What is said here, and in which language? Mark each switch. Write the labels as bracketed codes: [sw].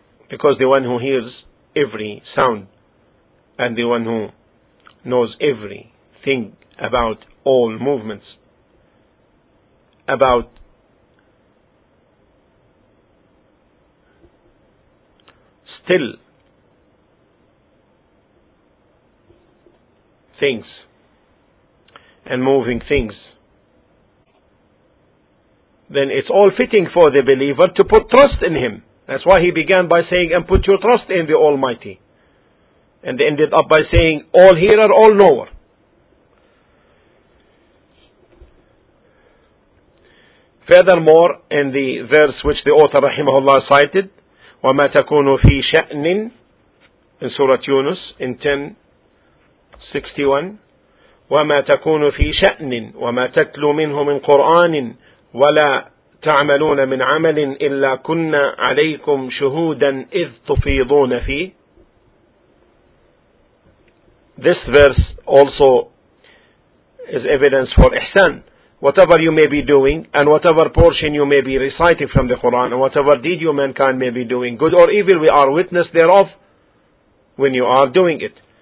[en] Because the one who hears every sound, and the one who knows everything about all movements, about still things and moving things, then it's all fitting for the believer to put trust in him. That's why he began by saying, and put your trust in the Almighty. And ended up by saying, all hearer, all knower. Furthermore, in the verse which the author, rahimahullah, cited, [ar] وَمَا تَكُونُ فِي شَأْنٍ, [en] in Surah Yunus, in 10:61, [ar] وَمَا تَكُونُ فِي شَأْنٍ وَمَا تَتْلُو مِنْهُ مِنْ قُرْآنٍ وَلَا تَعْمَلُونَ مِنْ عَمَلٍ إِلَّا كُنَّا عَلَيْكُمْ شُهُودًا إِذْ تُفِيضُونَ فِيهِ. [en] This verse also is evidence for ihsan. Whatever you may be doing, and whatever portion you may be reciting from the Quran, and whatever deed you mankind may be doing, good or evil, we are witness thereof when you are doing it.